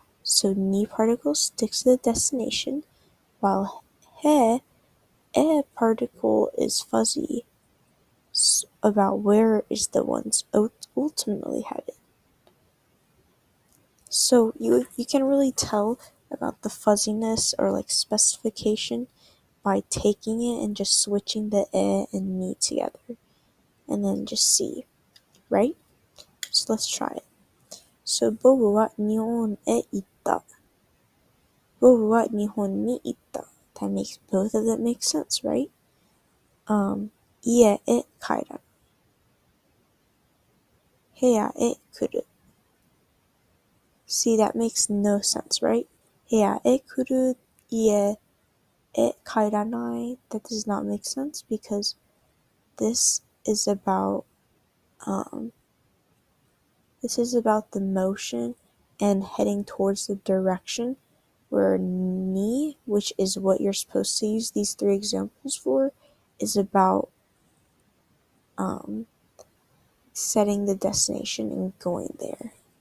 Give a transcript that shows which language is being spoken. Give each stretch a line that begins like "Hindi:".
English: So ni particle sticks to the destination, while he particle is fuzzy about where is the ones ultimately headed. So you can really tell about the fuzziness or like specification by taking it and just switching the e and ni together and then just see, right? So let's try it.
Japanese: So 僕は日本へ行った。僕は日本に行った。
English: That makes both of that make sense, right?
Japanese: 家へ帰る。部屋へ来る。
English: See, that makes no sense, right?
Japanese: 部屋へ来る、家へ帰らない。
English: That does not make sense because this is about the motion and heading towards the direction where ni, which is what you're supposed to use these three examples for, is about setting the destination and going there.